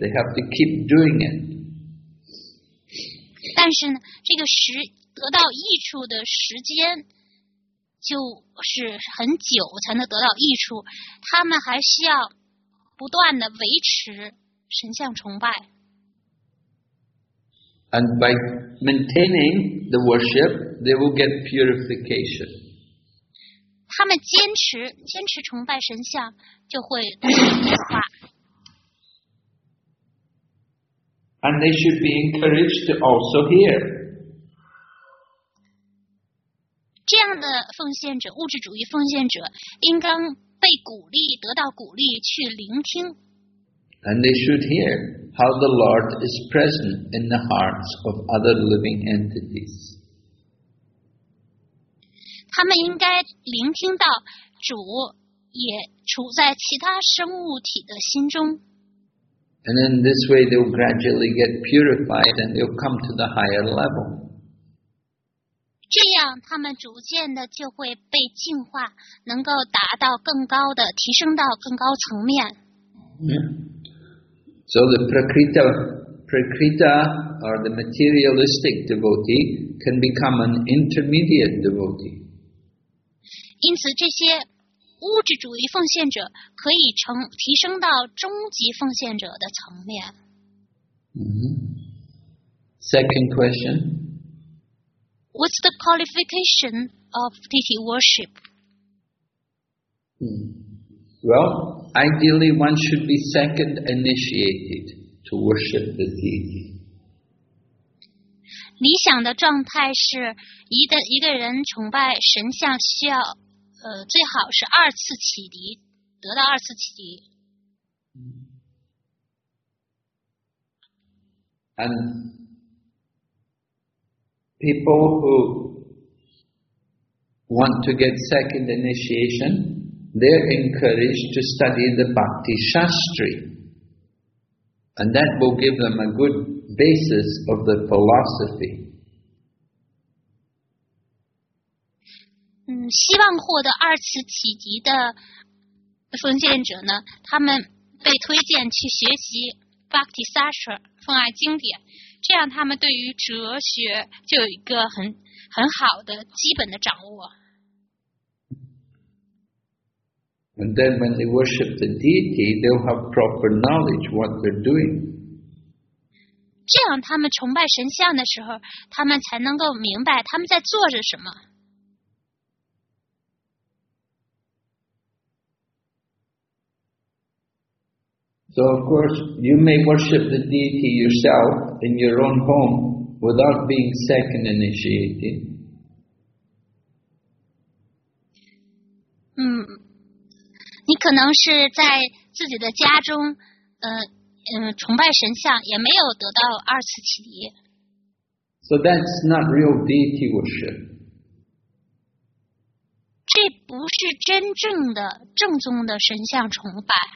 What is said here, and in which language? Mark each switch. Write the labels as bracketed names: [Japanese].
[English] They have to keep doing it. [Chinese] 但是呢，这个得到益处的时间就是很久才能得到益处，他们还需要不断的维持神像崇拜。 [English] And by maintaining the worship, they will get purification. [Chinese] 他们坚持崇拜神像，就会得到净化。 [English] And they should be encouraged to also hear. [Chinese] 这样的奉献者，物质主义奉献者，应当被鼓励，得到鼓励去聆听。 [English] And they should hear how the Lord is present in the hearts of other living entities. [Chinese] 他们应该聆听到主也处在其他生物体的心中。 [English] And in this way they will gradually get purified and they will come to the higher level. [Chinese] 这样他们逐渐的就会被净化，能够达到更高的，提升到更高层面。 [English] So the Prakrita or the materialistic devotee can become an intermediate devotee. [Chinese] 因此这些物质主义奉献者可以提升到终极奉献者的层面。 [English] Second question. What's the qualification of deity worship? Well, ideally one should be second initiated to worship the deity. [Chinese] 理想的状态是一个人崇拜神像需要最好是二次启迪，得到二次启迪。 [English] And people who want to get second initiation, they're encouraged to study the Bhakti Shastri, and that will give them a good basis of the philosophy. [Chinese] 希望获得二次启迪的奉献者呢，他们被推荐去学习 Bhakti Sastra 奉爱经典，这样他们对于哲学就有一个很好的基本的掌握。 [English] And then when they worship the deity, they'll have proper knowledge what they're doing. [Chinese] 这样他们崇拜神像的时候，他们才能够明白他们在做着什么。 [English] So of course, you may worship the deity yourself in your own home without being second initiated. [Chinese] 你可能是在自己的家中，崇拜神像，也没有得到二次启迪。 [English] So that's not real deity worship. [Chinese] 这不是真正的、正宗的神像崇拜。